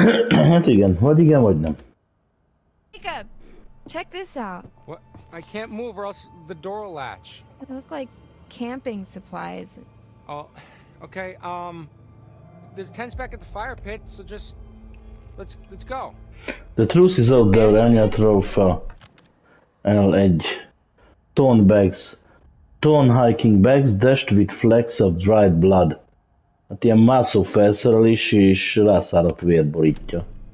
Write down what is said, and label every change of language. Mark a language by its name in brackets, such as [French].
[Hungarian] Hát igen, vagy igen, vagy nem. [English] Jacob, check this out. What? I can't move or else the door will latch. They look like camping supplies. Oh, okay, there's tents back at the fire pit, so just... Let's go. The truth is out there, Anya Trofa. L Edge. Torn bags. Torn hiking bags dashed with flecks of dried blood. [Hungarian] Hát ilyen mászó felszerelés és rászáradt vért borítja.